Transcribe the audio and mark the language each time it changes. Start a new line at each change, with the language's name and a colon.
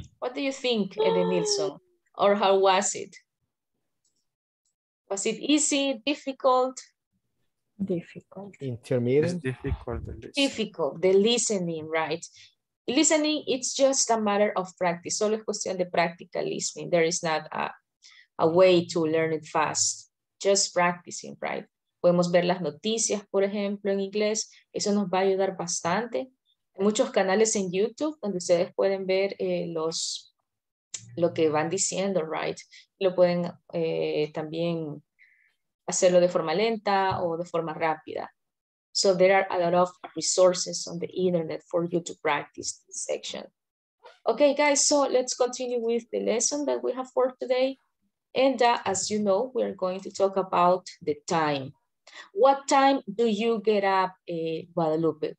English: What do you think, Eddie Nilsson? Or how was it? Was it easy, difficult? Difficult. Intermediate. It's difficult. Difficult, the listening, right? Listening, it's just a matter of practice.
Spanish: Solo es cuestión de práctica listening.
English: There is not a way to learn it fast. Just practicing, right?
Spanish: Podemos ver las noticias, por ejemplo, en inglés. Eso nos va a ayudar bastante. Hay muchos canales en YouTube donde ustedes pueden ver lo que van diciendo, right? Lo pueden también hacerlo de forma lenta o de forma rápida.
English: So there are a lot of resources on the internet for you to practice this section. Okay, guys, so let's continue with the lesson that we have for today. And as you know, we are going to talk about the time. What time do you get up, Guadalupe?